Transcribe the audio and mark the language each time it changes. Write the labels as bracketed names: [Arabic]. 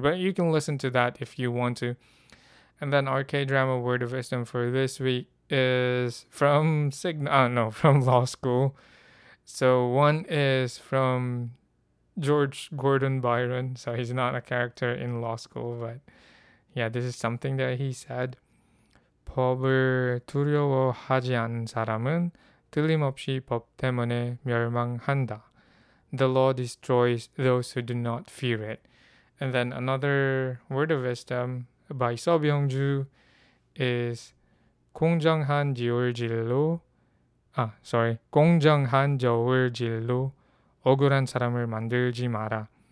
[English] But you can listen to that if you want to. And then our K-drama word of wisdom for this week is from from law school. So one is from George Gordon Byron. So he's not a character in law school. But yeah, this is something that he said. [Korean] 법을 두려워하지 않은 사람은 틀림없이 법 때문에 멸망한다. [English] The law destroys those who do not fear it. And then another word of wisdom by So Byung-ju is [Korean] 공정한 지울질로, 공정한 저울질로 억울한 사람을 만들지 마라.